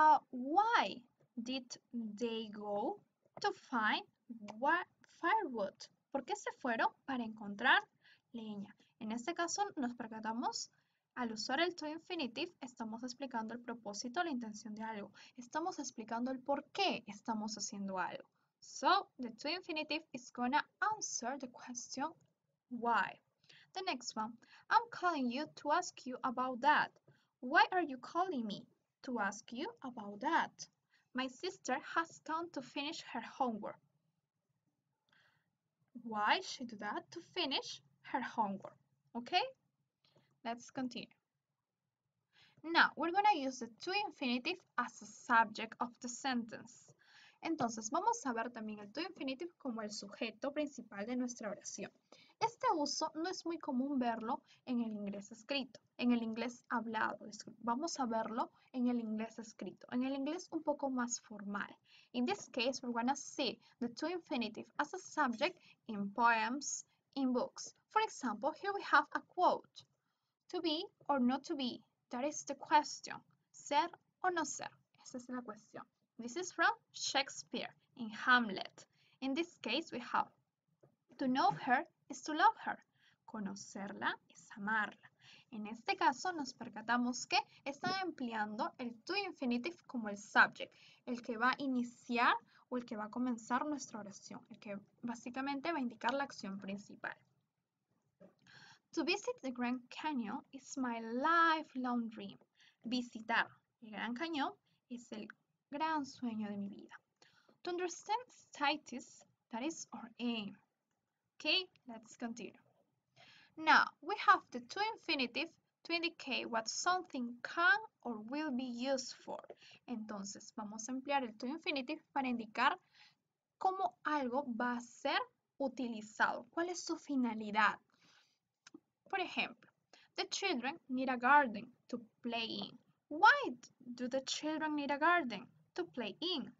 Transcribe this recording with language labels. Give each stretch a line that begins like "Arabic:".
English: Why did they go to find firewood?
Spanish: ¿Por qué se fueron para encontrar leña? En este caso nos percatamos, al usar el to infinitive, estamos explicando el propósito, la intención de algo. Estamos explicando el por qué estamos haciendo algo.
English: So, the to infinitive is gonna answer the question why. The next one. I'm calling you to ask you about that. Why are you calling me to ask you about that? My sister has come to finish her homework. Why she do that? To finish her homework. Okay? Let's continue. Now, we're gonna use the to infinitive as a subject of the sentence.
Spanish: Entonces, vamos a ver también el to infinitive como el sujeto principal de nuestra oración. Este uso no es muy común verlo en el inglés escrito, en el inglés hablado. Vamos a verlo en el inglés escrito, en el inglés un poco más formal.
English: In this case, we're going to see the to infinitive as a subject in poems, in books. For example, here we have a quote. To be or not to be, that is the question.
Spanish: Ser o no ser, esa es la cuestión.
English: This is from Shakespeare in Hamlet. In this case, we have to know her is to love her.
Spanish: Conocerla es amarla. En este caso, nos percatamos que está empleando el to infinitive como el subject, el que va a iniciar o el que va a comenzar nuestra oración, el que básicamente va a indicar la acción principal.
English: To visit the Grand Canyon is my lifelong dream.
Spanish: Visitar el Gran Cañón es el gran sueño de mi vida.
English: To understand status, that is our aim. Okay, let's continue. Now, we have the to infinitive to indicate what something can or will be used for.
Spanish: Entonces, vamos a emplear el to infinitive para indicar cómo algo va a ser utilizado. ¿Cuál es su finalidad? Por ejemplo,
English: the children need a garden to play in. Why do the children need a garden? To play in.